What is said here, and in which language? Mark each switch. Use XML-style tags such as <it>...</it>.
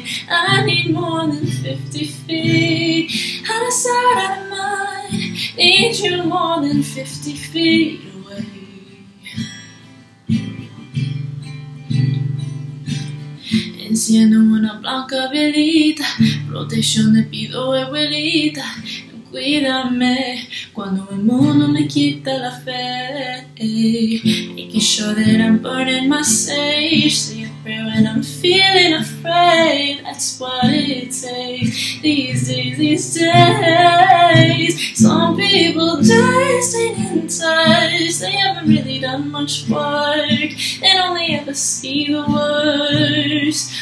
<en>I need more than 50 feet, out of sight, out of mind. Need you more than 50 feet away.</en> <es>Enciendo una blanca velita, protección te pido abuelita. Cuídame cuando el mundo me quita la fe.</es> <en>Making sure that I'm burning my sage, see you pray when I'm feeling afraid. That's what it takes these days. Some people die staying in touch. They haven't really done much work and only ever see the worst.</en>